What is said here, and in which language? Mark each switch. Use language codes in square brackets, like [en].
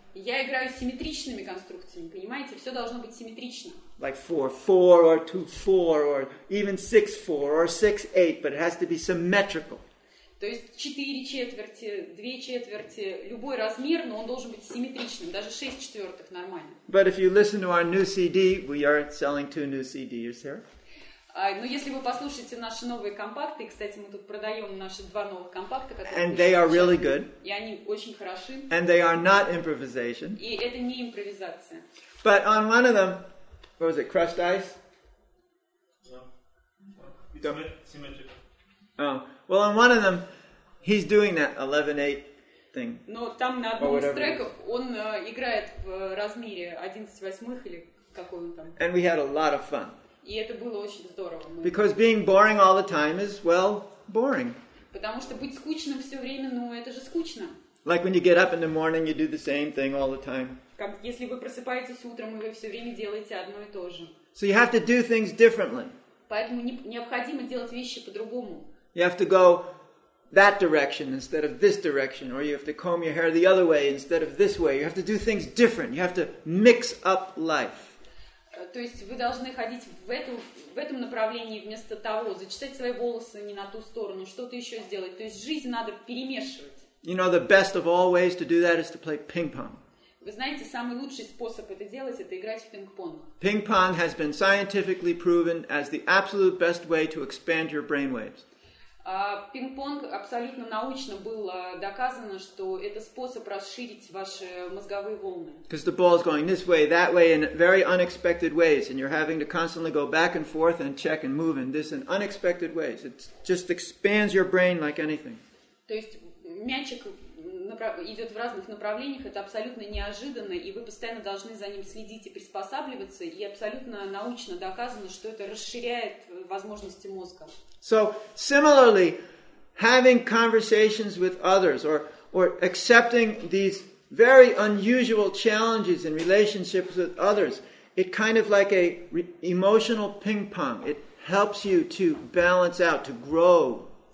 [ru] Я играю симметричными конструкциями, понимаете? Все должно быть симметрично. [en] Like 4-4 or 2-4 or even 6-4 or 6-8, but it has to be symmetrical. [ru] То есть 4 четверти, 2 четверти, любой размер, но он должен быть симметричным. Даже 6 четвертых нормально. [en] But if you listen to our new CD, we are selling 2 new CDs here. [ru] Но если вы послушаете наши новые компакты, кстати, мы тут продаем наши 2 новых компакта, которые [en] And they are really good. [ru] И они очень хороши. [en] And they are not improvisation. [ru] И это не импровизация. [en] But on one of them, what was it, crushed ice? No. Symmetric. Oh. Well, on one of them, he's doing that 11-8 thing. [ru] Но там на одном из треков он играет в размере 11-8 или какой он там. [en] And we had a lot of fun. [ru] И это было очень здорово. [en] Because being boring all the time is, well, boring. [ru] Потому что быть скучным все время, ну это же скучно. [en] Like when you get up in the morning, you do the same thing all the time. [ru] Как если вы просыпаетесь утром, и вы все время делаете одно и то же. [en] So you have to do things differently. [ru] Поэтому необходимо делать вещи по-другому. [en] You have to go that direction instead of this direction, or you have to comb your hair the other way instead of this way. You have to do things different. You have to mix up life. [ru] То есть вы должны ходить в этом направлении вместо того, зачесать свои волосы не на ту сторону, что-то еще сделать. То есть жизнь надо перемешивать. [en] You know, the best of all ways to do that is to play ping-pong. [ru] Вы знаете, самый лучший способ это делать, это играть в пинг-понг. [en] Ping-pong has been scientifically proven as the absolute best way to expand your brain waves. [ru] Пинг-понг абсолютно научно было доказано, что это способ расширить ваши мозговые волны. [en] Because the ball is going this way, that way, in very unexpected ways, and you're having to constantly go back and forth and check and move in this in unexpected ways. It just expands your brain like anything. [ru] То есть мячик идет в разных направлениях, это абсолютно неожиданно, и вы постоянно должны за ним следить и приспосабливаться, и абсолютно научно доказано, что это расширяет возможности мозга. [en] So, similarly, having conversations with others or accepting these very unusual challenges in relationships with others, it kind of like a emotional ping-pong. It helps you to balance out, to grow.